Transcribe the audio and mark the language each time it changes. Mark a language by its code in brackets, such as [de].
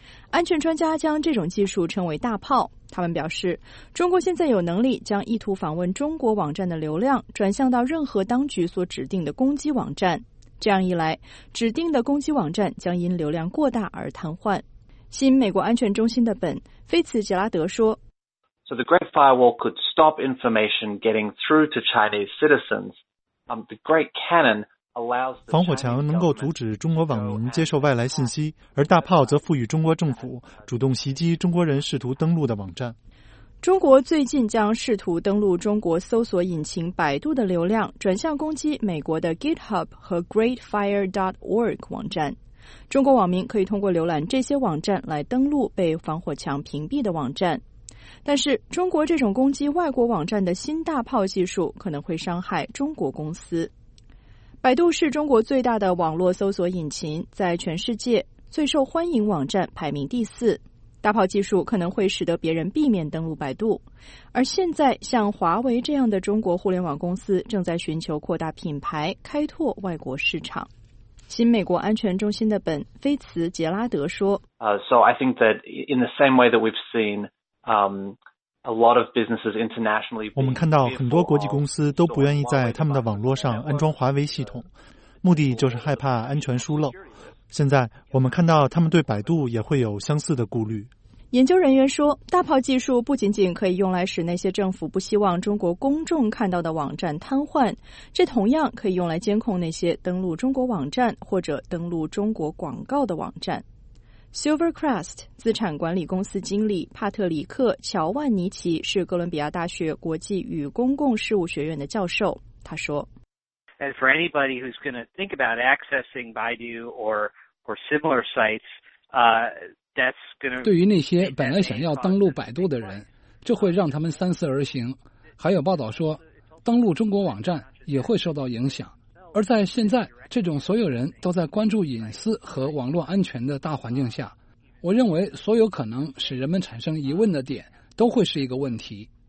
[zh] 安全专家将这种技术称为大炮。他们表示，中国现在有能力将意图访问中国网站的流量转向到任何当局所指定的攻击网站，这样一来，指定的攻击网站将因流量过大而瘫痪。新美国安全中心的本·菲茨杰拉德说， [en] So the Great Firewall could stop information getting through to Chinese citizens. The Great Cannon allows [zh] 防火墙能够阻止中国网民接受外来信息，而大炮则赋予中国政府主动袭击中国人试图登陆的网站。中国最近将试图登陆中国搜索引擎百度的流量转向攻击美国的 GitHub 和 GreatFire.org 网站。中国网民可以通过浏览这些网站来登录被防火墙屏蔽的网站，但是中国这种攻击外国网站的新大炮技术可能会伤害中国公司。百度是中国最大的网络搜索引擎，在全世界最受欢迎网站排名第四。大炮技术可能会使得别人避免登录百度，而现在像华为这样的中国互联网公司正在寻求扩大品牌，开拓外国市场。新美国安全中心的本·菲茨杰拉德说， [en] So I think that in the same way that we've seen a lot of businesses internationally, [zh] 我们看到很多国际公司都不愿意在他们的网络上安装华为系统，目的就是害怕安全疏漏。现在我们看到他们对百度也会有相似的顾虑。研究人员说，大炮技术不仅仅可以用来使那些政府不希望中国公众看到的网站瘫痪，这同样可以用来监控那些登录中国网站或者登录中国广告的网站。 Silvercrest 资产管理公司经理帕特里克·乔万尼奇是哥伦比亚大学国际与公共事务学院的教授，他说， [en] And for anybody who's going to think about accessing Baidu or similar sites, That's gonna, [zh] 对于那些本来想要登录百度的人，这会让他们三思而行。还有报道说，登录中国网站也会受到影响。而在现在这种所有人都在关注隐私和网络安全的大环境下，我认为所有可能使人们产生疑问的点都会是一个问题。